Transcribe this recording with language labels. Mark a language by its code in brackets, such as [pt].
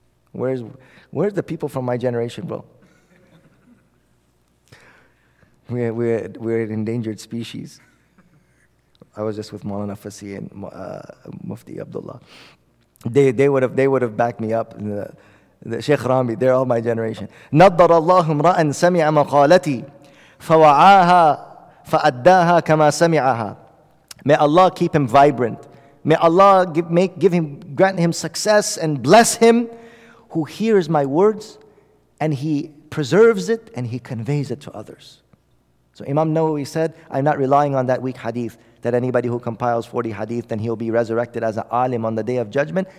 [en] Where's the people from my generation, bro? We're an endangered species. I was just with Maulana Fassi and Mufti Abdullah. They would have backed me up. The Sheikh Rami, they're all my generation. [ar] نظر الله امرأ سمع مقالتي فوعاها فأداها كما سمعها. [en] May Allah keep him vibrant. May Allah grant him success and bless him who hears my words and he preserves it and he conveys it to others. So Imam Nawawi said, I'm not relying on that weak hadith that anybody who compiles 40 hadith, then he'll be resurrected as an alim on the day of judgment.